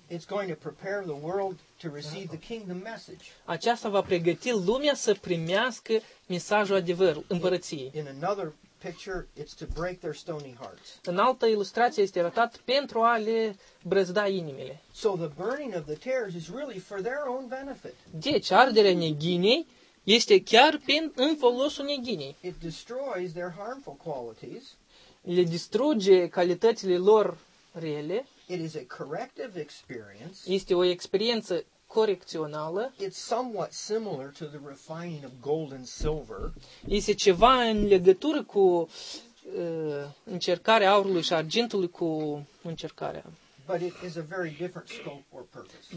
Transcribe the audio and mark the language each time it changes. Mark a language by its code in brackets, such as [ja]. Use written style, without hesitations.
[en] It's going to prepare the world to receive the kingdom message. [ro] Aceasta va pregăti lumea să primească mesajul adevărului împărăției. [en] In another picture, it's to break their stony hearts. [ro] În alta ilustrație este arătat pentru a le brăzda inimile. [en] So the burning of the tares is really for their own benefit. [ro] Deci, arderea neghinei este chiar în folosul neghinei. [en] It destroys their harmful qualities. [ro] Le distruge calitățile lor rele. [en] It is a corrective experience. [ro] Este o experiență corecțională. [en] It's somewhat similar to the refining of gold and silver. [ro] Este ceva în legătură cu încercarea aurului și argintului cu încercarea. [en] But it is a very different scope or purpose.